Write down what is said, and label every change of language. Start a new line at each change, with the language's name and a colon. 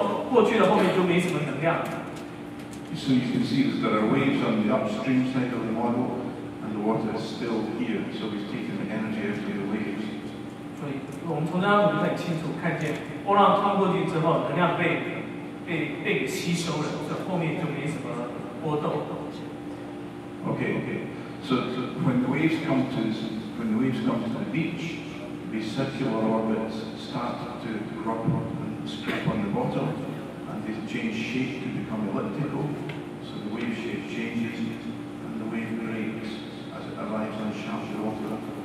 Chinese: 这当时我就很清楚的让你看见，这边是波浪是从你们的从我们这一侧过来，然后它这边是圆弧的，就它这样转的结果，你看右左边那个浪就非常小，水面就很小，表示浪过去之后被这个鸭子给能量把它吸收之后，过去了后面就没什么能量了。
English: So you can see that there are waves on the upstream side of the model, and the water is still here, so it's taking the energy out of the waves.
Chinese: 所以我们从这张图就很清楚，看见波浪穿过去之后，能量被吸收了，所以后面就没什么波动。
English: Okay, so when the waves come to the beach, the circular orbits start to crop up and strip on the bottom, and they change shape to become elliptical. So the wave shape changes, and the wave breaks as it arrives on shallow water.